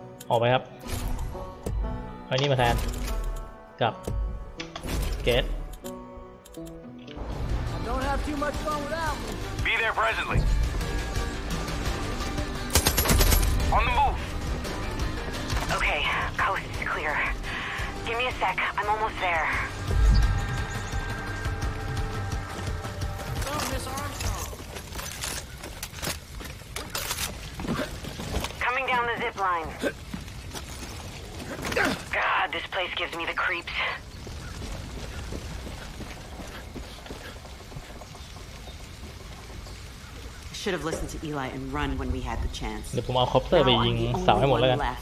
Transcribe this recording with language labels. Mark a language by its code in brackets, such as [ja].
[th] ออกไปครับเอานี่มาแทนกับเกต [en] I don't have too much fun without me. Be there presently. On the move. Okay, coast is clear. Give me a sec. I'm almost there. Come on, Miss Armstrong. Coming down the zip line. God, this place gives me the creeps. I should have listened to Eli and run when we had the chance. [th] เดี๋ยวผมเอาคอปเตอร์ไปยิงสาวให้หมดแล้วกัน